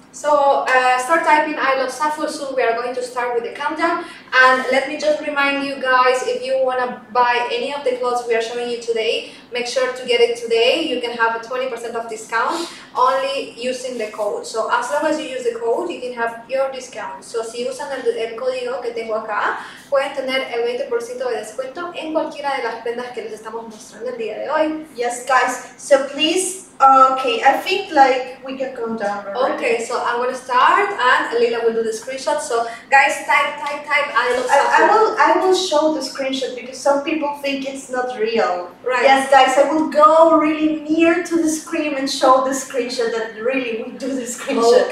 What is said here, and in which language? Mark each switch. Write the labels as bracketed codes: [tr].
[en] So start typing I love ZAFUL soon. We are going to start with the countdown. And let me just remind you guys, if you want to buy any of the clothes we are showing you today, make sure to get it today. You can have a 20% off discount only using the code. So as long as you use the code, you can have your discount. [es] So si usan el código que tengo acá, pueden tener el 20% de descuento en cualquiera de las prendas que les estamos mostrando el día de hoy. [en] Yes, guys. So please. Okay, I think like we can come down already. Okay, so I'm gonna start and Lila will do the screenshot. So guys, type I will show the screenshot because some people think it's not real. Right. Yes guys, I will go really near to the screen and show the screenshot that really we do the screenshot.